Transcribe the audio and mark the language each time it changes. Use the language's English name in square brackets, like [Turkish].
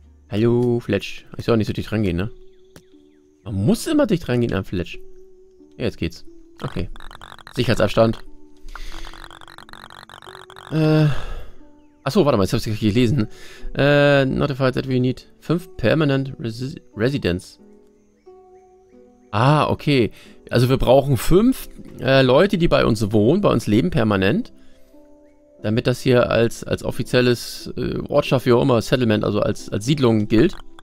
[German] Hallo, Fletch. Ich soll nicht so dicht rangehen, ne? Man muss immer dicht rangehen an Fletch. Ja, jetzt geht's. Okay. Sicherheitsabstand. Achso, warte mal, jetzt habe ich es gelesen. [English] Notified that we need 5 permanent residents. [German] Ah, okay. Also wir brauchen 5 Leute, die bei uns wohnen, bei uns leben permanent. Damit das hier als offizielles Ortschaft, wie auch immer, Settlement, also als Siedlung gilt.